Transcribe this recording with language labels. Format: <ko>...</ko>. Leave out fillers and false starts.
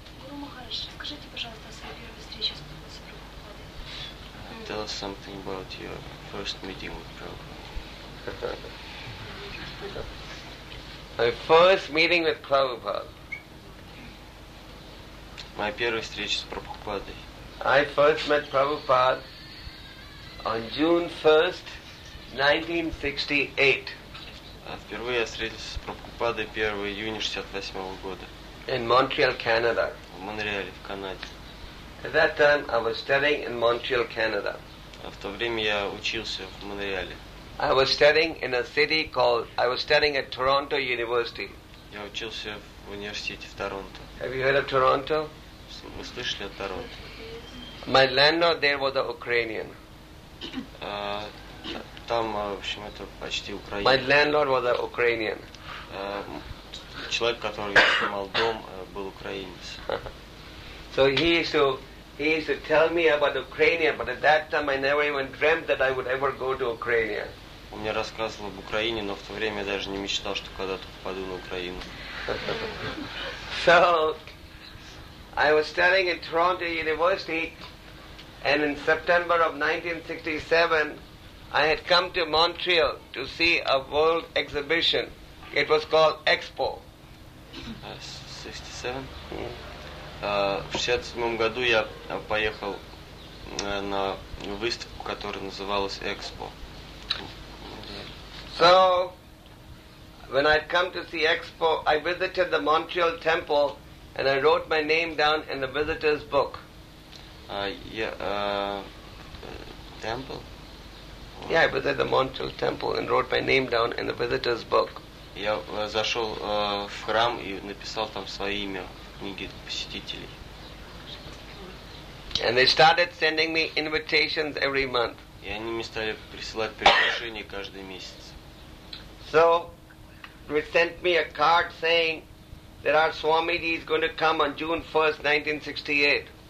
<ru>Guru Maharaj, скажите, пожалуйста, о своей первой встрече с Прабхупадой.</ru> <en>Tell us something about your first meeting with Prabhupada. My first meeting with Prabhupada.</en> <ru>My первая встреча с Прабхупадой.</ru> <en>I first met Prabhupada on June 1, 1968.</en> <ru>Впервые я встретился с Прабхупадой 1 июня 68 года.</ru> <en>In Montreal, Canada.</en> <ru>В Монреале, в Канаде.</ru> <en>At that time I was studying in Montreal, Canada.</en> <ru>В то время я учился в Монреале.</ru> <en>I was studying in a city called... I was studying at Toronto University.</en> <ru>Я учился в университете в Торонто.</ru> <en>Have you heard of Toronto?</en> <ru>Вы слышали о Торонто?</ru> <en>My landlord there was an Ukrainian.</en> <ru>Там, в общем, это почти Украина.</ru> <en>My landlord was an Ukrainian.</en> <ru>Человек, который снимал дом, был украинец.</ru> <en>So he used to tell me about Ukraine, but at that time I never even dreamt that I would ever go to Ukraine.</en> <ru>Он мне рассказывал об Украине, но в то время я даже не мечтал, что когда-то попаду на Украину.</ru> <en>So I was studying at Toronto University, and in September of 1967 I had come to Montreal to see a world exhibition. It was called Expo. 67.</en> <ru>В 67 году я поехал на выставку, которая называлась Expo.</ru> <en>So when I'd come to see Expo, I visited the Montreal Temple and I wrote my name down in the visitor's book. Temple? Yeah, I visited the Montreal Temple and wrote my name down in the visitor's book.</en> <ru>Я зашел в храм и написал там свое имя в книге посетителей.</ru> <en>And they started sending me invitations every month.</en> <ru>И они мне стали присылать приглашения каждый месяц.</ru> <en>So they sent me a card saying that our Swamiji is going to come on June 1st, 1968.</en>